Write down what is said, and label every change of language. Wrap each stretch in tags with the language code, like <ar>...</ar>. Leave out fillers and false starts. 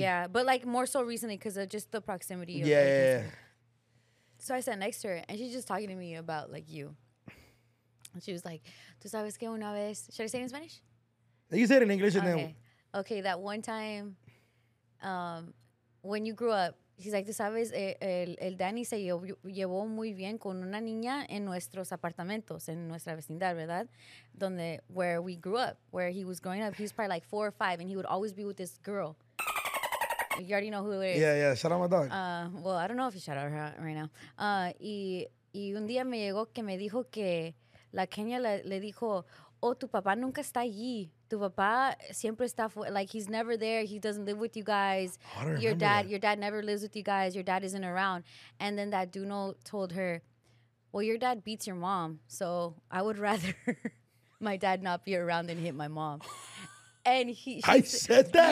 <en>Yeah, but like more so recently because of just the proximity. Of yeah, yeah. So I sat next to her, and she's just talking to me about like you. And she was like,</en> <es>"Tú sabes que una vez."</es> <en>Should I say it in Spanish? You say it in English, and okay. Then okay, that one time, when you grew up,</en> <es>She's like, tú sabes, el Danny se llevó muy bien con una niña en nuestros apartamentos, en nuestra vecindad, ¿verdad? Donde,</es> <en>where we grew up, where he was growing up. He was probably like 4 or 5, and he would always be with this girl. You already know who it is. Yeah, yeah, shout out my dog. Well, I don't know if you shout out her right now.</en> <es>Y un día me llegó que me dijo que la Kenya le dijo, oh, tu papá nunca está allí. Tu papá siempre está,</es> <en>like, he's never there. He doesn't live with you guys. Your dad never lives with you guys. Your dad isn't around. And then that Duno told her, well, your dad beats your mom. So I would rather my dad not be around than hit my mom. And I said that?</en>